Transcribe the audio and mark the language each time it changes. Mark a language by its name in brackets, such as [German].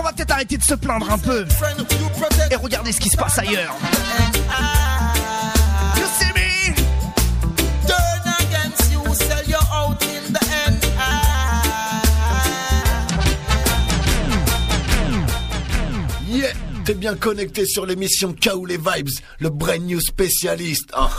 [French] Arrêtez de se plaindre un peu et regardez ce qui se passe ailleurs. [English] You see me? Turn against you, sell you out in the end. [French] Yeah, t'es bien connecté sur l'émission Kaoulé Vibes, le [English] brand new [French] spécialiste.